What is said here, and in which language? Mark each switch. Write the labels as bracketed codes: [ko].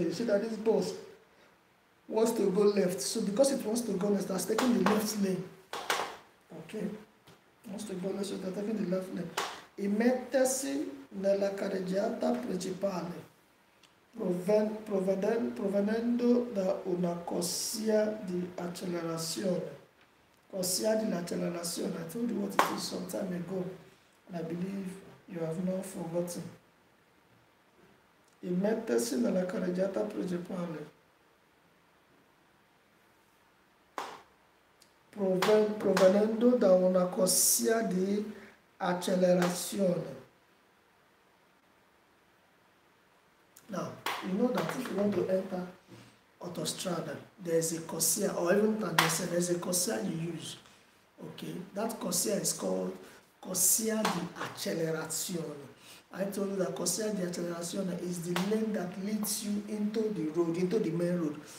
[en] You see that this bus wants to go left. So because it wants to go left, that's taking the left lane. Okay. It wants to go left, so they're taking the left lane. [it] E mettersi nella carreggiata principale, provenendo da una corsia di accelerazione. Corsia di accelerazione. [en] I told you what it is some time ago. I believe you have not forgotten. [it] In mettersi nella carreggiata principale, provenendo da una corsia di accelerazione. [en] Now, you know that if you want to enter autostrada, there is a corsia, or even tangentially, there is a corsia you use. Okay, that corsia is called Corsia di accelerazione. I told you that Corsia di accelerazione is the lane that leads you into the road, into the main road.